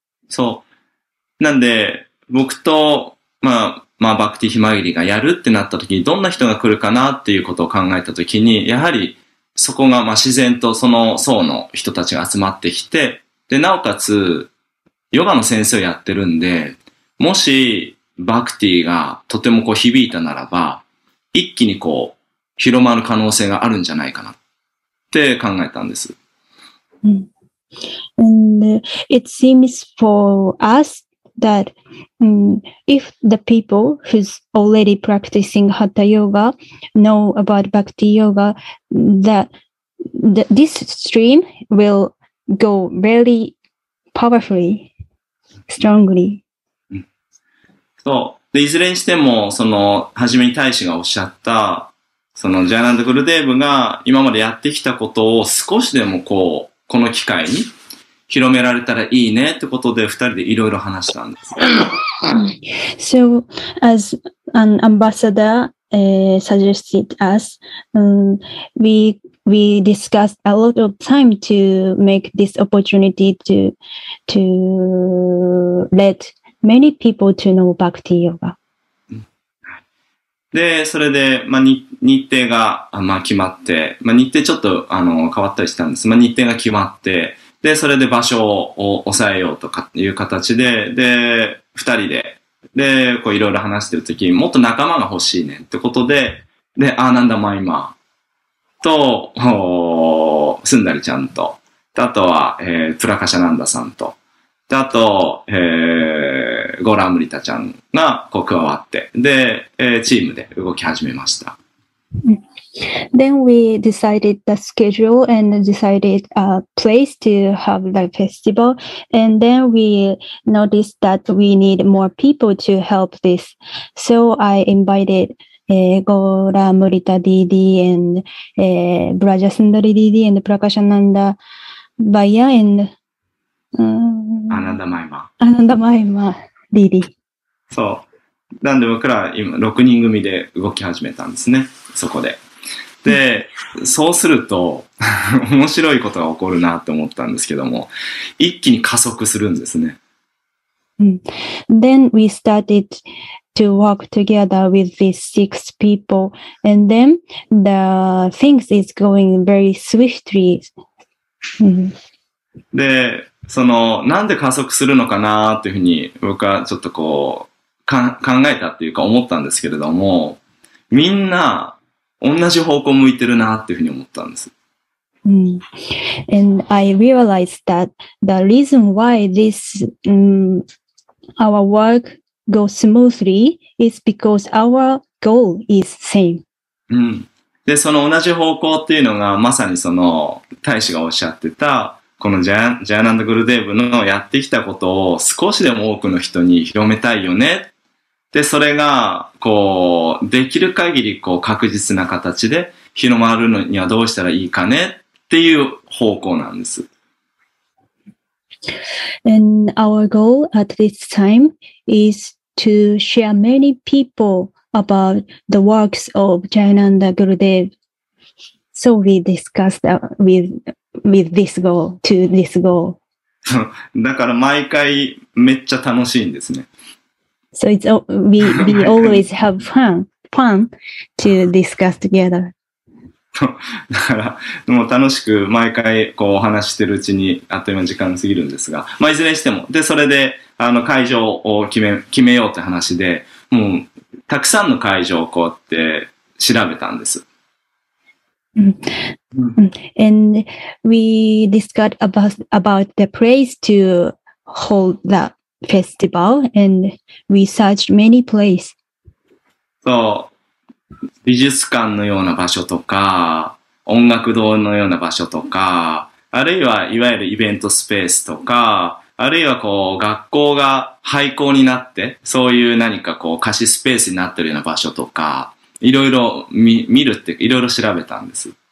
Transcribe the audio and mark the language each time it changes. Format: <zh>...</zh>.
<ja>そう。なんで、僕と、まあ、まあ、バクティヒマギリがやるってなった時に、どんな人が来るかなっていうことを考えた時に、やはり、そこが、まあ、自然とその層の人たちが集まってきて、で、なおかつ、ヨガの先生をやってるんで、もし、バクティがとてもこう響いたならば、一気にこう、広まる可能性があるんじゃないかな、って考えたんです。</ja> <en>And it seems for us,that if the people who's already practicing Hatha Yoga know about Bhakti Yoga, that this stream will go really powerfully, strongly.</en> <ja>そう。で、いずれにしても、その、はじめに大使がおっしゃった、その、ジャイナンド・グルデーブが今までやってきたことを少しでもこう、この機会に、広められたらいいねってことで二人でいろいろ話したんです。</ja> <en>So, as an ambassador, suggested us, we discussed a lot of time to make this opportunity to let many people to know Bhakti Yoga.</en> <ja>で、それで、まあ、日程が、まあ、決まって、まあ、日程ちょっと、変わったりしたんです。まあ、日程が決まって、で、それで場所を押さえようとかっていう形で、で、二人で、で、こういろいろ話してるときに、もっと仲間が欲しいねってことで、で、アーナンダマイマーと、スンダリちゃんと、あとは、プラカシャナンダさんと、あと、ゴーラムリタちゃんがこう加わって、で、チームで動き始めました。</ja> <en>Then we decided the schedule and decided a place to have the festival. And then we noticed that we need more people to help this. So I invited Gora Murita Didi and Braja Sundari Didi and Prakashananda Baya and Ananda Maima. Ananda Maima Didi.</en> <ja>So, なんで僕ら今6人組で動き始めたんですね。そこで。で、そうすると面白いことが起こるなって思ったんですけども、一気に加速するんですね。</ja> <en>Then we started to work together with these six people, and then the things is going very swiftly.</en> <ja>で、そのなんで加速するのかなっていうふうに僕はちょっとこう考えたっていうか思ったんですけれども、みんな同じ方向向いてるなっていうふうに思ったんです。</ja> <en>And I realized that the reason why this, our work goes smoothly is because our goal is same.</en> <ja>で、その同じ方向っていうのがまさにその大使がおっしゃってた、このジャヤナンダ・グルデーブのやってきたことを少しでも多くの人に広めたいよね。で、それが、こう、できる限り、こう、確実な形で広まるのにはどうしたらいいかねっていう方向なんです。</ja> <en>And our goal at this time is to share many people about the works of Jayananda Gurudev. So we discussed that with this goal, to this goal.</en> <ja>だから毎回めっちゃ楽しいんですね。</ja> <en>So it's we always have fun to discuss together.</en> <ja>だからもう楽しく毎回こうお話してるうちにあっという間に時間過ぎるんですが、まあいずれにしてもでそれであの会場を決めようって話で、もうたくさんの会場をこうやって調べたんです。</ja> <en>And we discussed about the place to hold that. Festival and we searched many places.</en> <ja>そう、美術館のような場所とか、音楽堂のような場所とか、あるいはいわゆるイベントスペースとか、あるいはこう学校が廃校になって、そういう何かこう貸しスペースになってるような場所とか、いろいろ見るっていろいろ調べたんです。</ja>